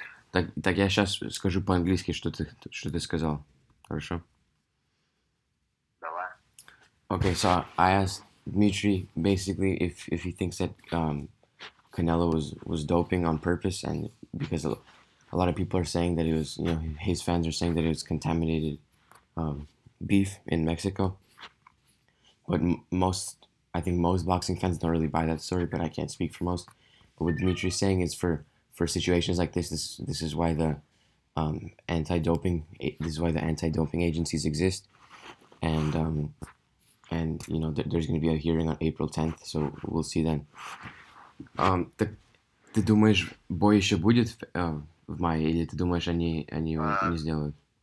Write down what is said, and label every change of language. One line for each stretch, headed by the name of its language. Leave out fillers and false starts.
Russian: Так я сейчас скажу по-английски, что ты сказал. Хорошо? Давай.
English: Okay, so I asked Dmitry basically if he thinks that Canelo was doping on purpose, and because a lot of people are saying that it was, you know, his fans are saying that it was contaminated beef in Mexico, but I think most boxing fans don't really buy that story, but I can't speak for most. But what Dmitry's saying is for situations like this is why the anti-doping agencies exist, and you know there's going to be a hearing on April 10th, so we'll see then.
Russian: Ты думаешь, бой еще будет в мае, или ты думаешь, они его не сделают?